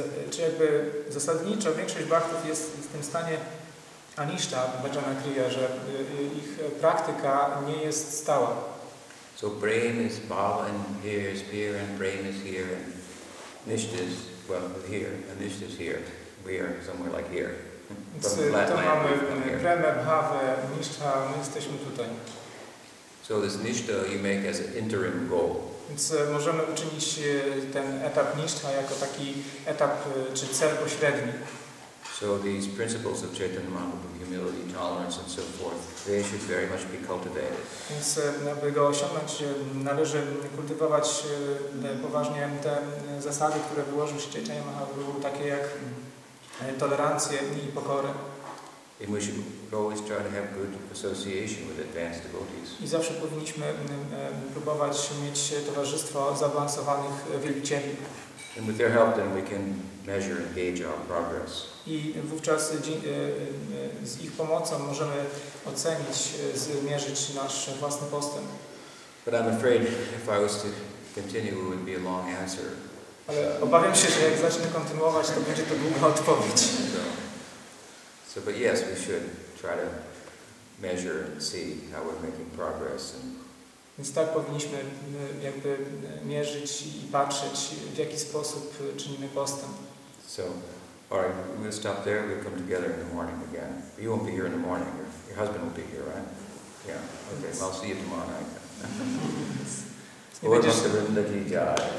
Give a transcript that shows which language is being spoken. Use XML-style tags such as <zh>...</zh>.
<pl>Czy jakby zasadniczo większość bhaktów jest w tym stanie anishta bhajana kriya, że ich praktyka nie jest stała.</pl> <en>So brahm is bhava and here is here and brahm is here and nishta is, well, here. Anishta is here. We are somewhere like here.</en> <pl>To mamy premę, bhavę, nishtha, my jesteśmy tutaj.</pl> <en>So this nishtha you make as an interim goal.</en> <pl>Więc możemy uczynić ten etap nishtha jako taki etap czy cel pośredni.</pl> <en>So these principles of Chaitanya Mahaprabhu, humility, tolerance and so forth, they should very much be cultivated.</en> <pl>Więc aby go osiągnąć, należy kultywować poważnie te zasady, które wyłożył się Chaitanya Mahaprabhu, takie jak tolerancję i pokorę.</pl> <en>And we should always try to have good association with advanced devotees.</en> <pl>I zawsze powinniśmy próbować mieć towarzystwo zaawansowanych wielbicieli.</pl> <en>And with their help, then we can measure and gauge our progress.</en> <pl>I wówczas z ich pomocą możemy ocenić, zmierzyć nasz własny postęp.</pl> <en>But I'm afraid if I was to continue, it would be a long answer.</en> <pl>Ale obawiam się, że jak zacznę kontynuować, to będzie to długa odpowiedź.</pl> <en>So but yes, we should try to measure and see how we're making progress.</en> <pl>Więc tak powinniśmy jakby mierzyć i patrzeć, w jaki sposób czynimy postęp.</pl> <en>So, alright, we'll stop there. We'll come together in the morning again. You won't be here in the morning. Your husband will be here, right? Yeah. Okay. Well, I'll see you tomorrow night. Or just a little bit of God.</en>